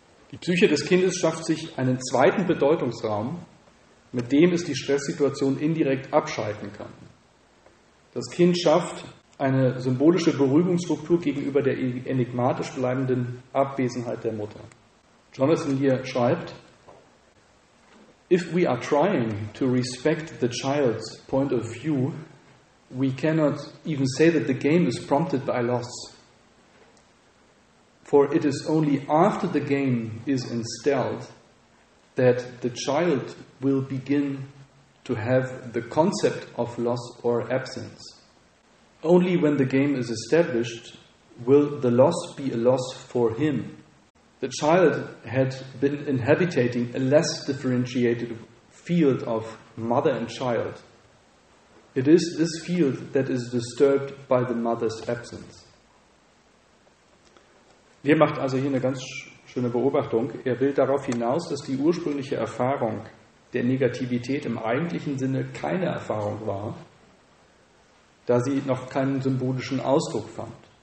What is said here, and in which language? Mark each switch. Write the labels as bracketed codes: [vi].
[de] Die Psyche des Kindes schafft sich einen zweiten Bedeutungsraum, mit dem es die Stresssituation indirekt abschalten kann. Das Kind schafft eine symbolische Beruhigungsstruktur gegenüber der enigmatisch bleibenden Abwesenheit der Mutter. [en] Jonathan Lear [de] schreibt: [en] If we are trying to respect the child's point of view, we cannot even say that the game is prompted by loss. For it is only after the game is installed that the child will begin to have the concept of loss or absence. Only when the game is established will the loss be a loss for him. The child had been inhabiting a less differentiated field of mother and child. It is this field that is disturbed by the mother's absence. [de] Lear macht also hier eine ganz schöne Beobachtung. Er will darauf hinaus, dass die ursprüngliche Erfahrung der Negativität im eigentlichen Sinne keine Erfahrung war, da sie noch keinen symbolischen Ausdruck fand.